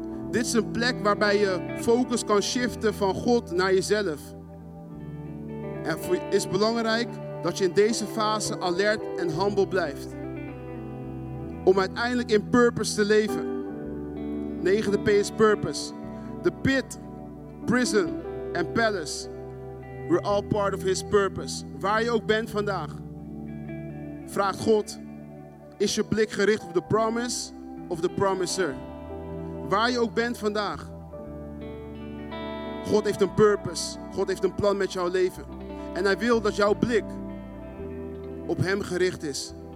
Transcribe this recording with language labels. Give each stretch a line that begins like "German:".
Dutch: Dit is een plek waarbij je focus kan shiften van God naar jezelf. En het is belangrijk dat je in deze fase alert en humble blijft. Om uiteindelijk in purpose te leven. 9e P is purpose.
English: The pit, prison and palace. We're all part of his purpose.
Dutch: Waar je ook bent vandaag. Vraagt God, is je blik gericht op de promise of de promiser? Waar je ook bent vandaag. God heeft een purpose. God heeft een plan met jouw leven. En hij wil dat jouw blik op hem gericht is.